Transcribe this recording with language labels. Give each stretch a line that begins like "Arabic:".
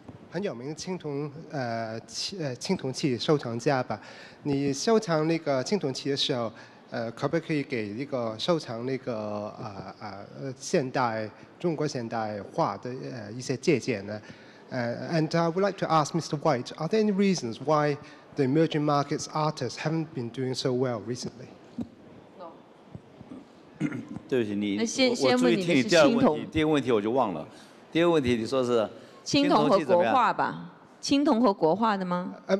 Chinese: 很有名的青铜器收藏家吧，你收藏那个青铜器的时候，可不可以给那个收藏那个现代中国现代画的一些借鉴呢？
English: And I would like to ask Mr. White, are there any reasons why the emerging markets artists haven't been doing so well recently? No.
Chinese: 对不起，你那先我注意听你第二个问题，第二个问题我就忘了，第二个问题你说是。青铜和国画吧，青铜和国画的吗？